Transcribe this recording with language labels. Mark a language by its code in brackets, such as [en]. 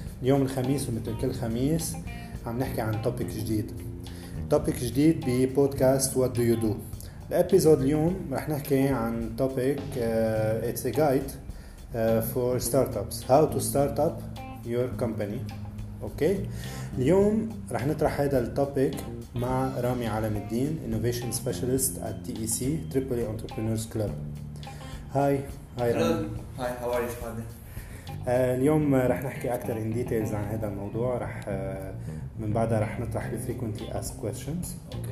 [ar] اليوم الخميس ومثل كل خميس عم نحكي عن توبيك جديد ببودكاست What Do You Do. الابيزود اليوم رح نحكي عن توبيك [en] It's a guide for startups, How to start up your company. [ar] اوكي، اليوم رح نطرح هذا التوبيك مع رامي عالم الدين، Innovation Specialist at TEC, AAA Entrepreneurs Club. [en] Hi Rami. Hi, how are you Shahade? [ar] اليوم رح نحكي أكثر [en] in details [ar] عن هذا الموضوع. رح من بعدها رح نطرح [en] the frequently asked questions.